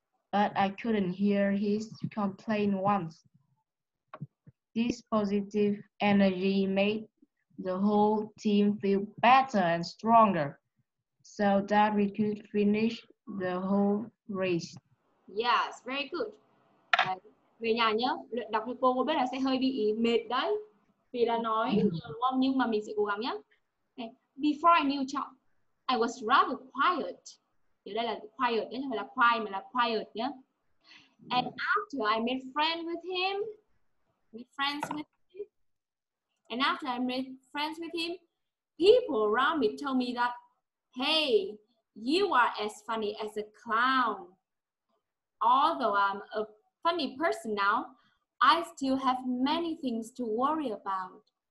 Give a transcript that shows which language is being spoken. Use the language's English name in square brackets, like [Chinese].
[English] But I couldn't hear his complaint once. This positive energy made the whole team feel better and stronger so that we could finish the whole race. Yes, very good. [Vietnamese] Về nhà nhớ, luyện đọc cho cô biết là sẽ hơi bị mệt đấy. Vì là nói ngon nhưng mà mình sẽ cố gắng nhé. Okay. [English] Before I knew Chong, I was rather quiet. [Vietnamese] Điều đây là quiet nhé, chứ không phải là quiet mà là quiet nhé. [English] And after I made friends with him, And after I made friends with him, people around me told me that, hey, you are as funny as a clown. Although I'm a funny person now, I still have many things to worry about.